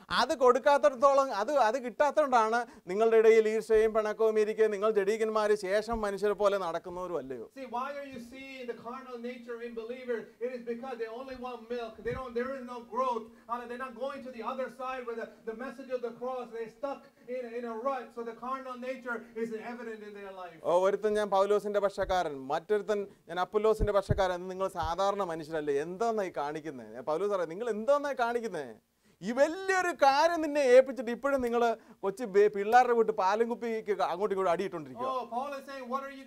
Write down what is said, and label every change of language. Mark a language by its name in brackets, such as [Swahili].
[Malayalam] അത് കൊടുക്കാത്തിടത്തോളം, അത് കിട്ടാത്തതുകൊണ്ടാണ് നിങ്ങളുടെ ഇടയിൽ ഈർഷയും പിണക്കവും ഇരിക്കുക. നിങ്ങൾ ജഡീകന്മാര്, ശേഷം മനുഷ്യരെ പോലെ നടക്കുന്നവരും അല്ലയോ. [English] See, why are you seeing the carnal nature in believers, it is because they only want milk. There is no growth. They're not going to the other side where the message of the cross, they're stuck in a rut. So the carnal nature is evident in their life. [Malayalam] Oh, ഒരുത്തൻ ഞാൻ പൗലോസിന്റെ പക്ഷക്കാരൻ മറ്റൊരുത്തൻ ഞാൻ അപ്പുലോസിന്റെ പക്ഷക്കാരൻ എന്ന് നിങ്ങൾ സാധാരണ മനുഷ്യരല്ലേ എന്താണ് ഈ കാണിക്കുന്നത് പൗലോസ് പറയുന്നത് നിങ്ങൾ എന്താണ് കാണിക്കുന്നത് ഈ വലിയൊരു കാര്യം നിന്നെ ഏൽപ്പിച്ചിട്ട് ഇപ്പോഴും നിങ്ങൾ കൊച്ചു പിള്ളേരുടെ വീട്ട് പാലും കുപ്പിക്ക് അങ്ങോട്ടും ഇങ്ങോട്ടും